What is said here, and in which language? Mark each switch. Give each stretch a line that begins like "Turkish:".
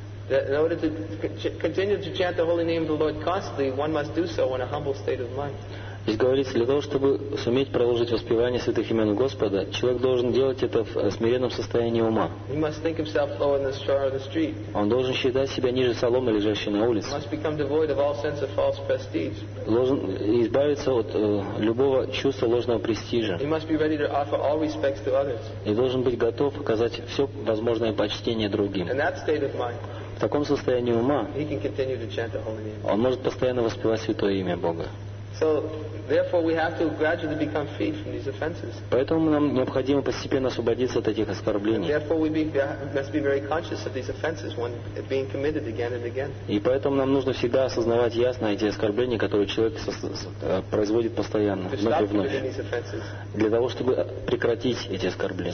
English: In order to continue to chant the holy name of the Lord constantly, one must do so in a humble state of mind.
Russian: Здесь говорится, для того, чтобы суметь продолжить воспевание святых имен Господа, человек должен делать это в смиренном состоянии ума.
English: He must think himself lower than the straw of the street.
Russian: Он должен считать себя ниже соломы, лежащей на улице.
English: He must become devoid of all sense of false prestige.
Russian: Должен избавиться от любого чувства ложного престижа.
English: He must be ready to offer all respects to others.
Russian: И должен быть готов оказать все возможное почтение другим.
English: In that state of mind,
Russian: в таком состоянии ума,
English: he can continue to chant the holy name.
Russian: Он может постоянно воспевать святое имя Бога.
English: So, therefore, we have to gradually become freed from these offenses.
Russian: Поэтому нам необходимо постепенно освободиться от этих оскорблений.
English: Therefore, we must be very conscious of these offenses when being committed again and again.
Russian: И поэтому нам нужно всегда осознавать ясно эти оскорбления, которые человек производит постоянно, вновь и вновь, для того, чтобы прекратить эти оскорбления.